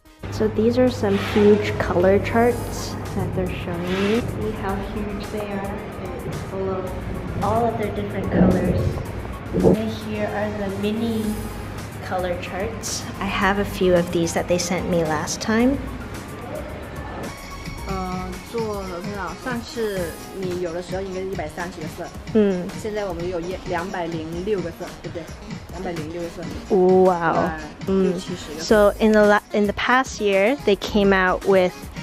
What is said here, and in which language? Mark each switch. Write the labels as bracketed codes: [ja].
[en] So these are some huge color charts. That they're showing me. Look how huge they are. It's full of all of their different colors. And here are the mini color charts. I have a few of these that they sent me last time. [zh] 做了多少？上次你有的时候应该是130个色。现在我们有206个色，对不对？ 206个色。哇哦。 [en] So in the past year, they came out with.